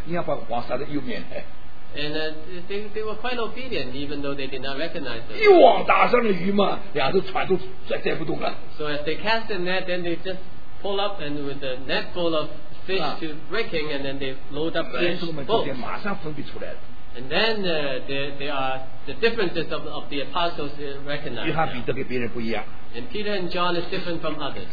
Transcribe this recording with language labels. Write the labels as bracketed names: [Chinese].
[English] and they were quite obedient even though they did not recognize them. [Chinese] 一网打上了鱼嘛, 两只船都载不动了。 [English] So as they cast the net, then they just pull up and with the net full of fish to breaking, and then they load up the fish. And then there are the differences of the apostles recognized. And Peter and John is different from others.